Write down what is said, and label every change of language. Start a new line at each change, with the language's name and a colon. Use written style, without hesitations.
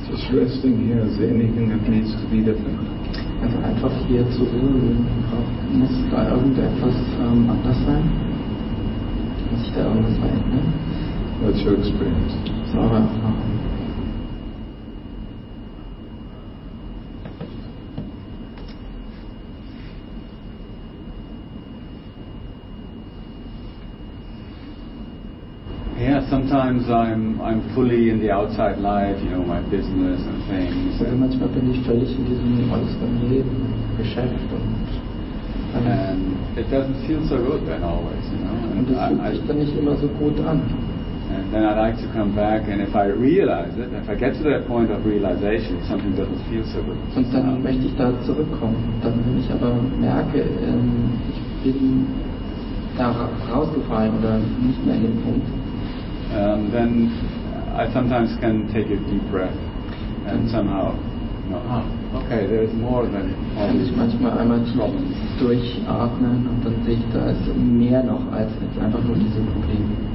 English: Resting here, is there anything that needs to be different?
German: Also einfach hier zu ruhen, muss da irgendetwas anders sein? Muss ich da irgendwas verändern?
English: That's your experience. So, Yeah, sometimes I'm fully in the outside life, you know, my business and things.
German: Also manchmal bin ich völlig in diesem äußeren Leben, Geschäft und.
English: And it doesn't feel so good then always, you know.
German: Und das fühlt sich dann nicht immer so gut an.
English: And then I like to come back, and if I realize it, if I get to that point of realization, something doesn't feel so good.
German: Und dann möchte ich da zurückkommen. Dann wenn ich aber merke, ich bin da rausgefallen oder nicht mehr in dem Punkt.
English: Then I sometimes can take a deep breath and somehow, okay, there is more than.
German: Kann ich manchmal einmal durchatmen und dann sehe ich, da ist mehr noch als jetzt einfach nur diese Probleme.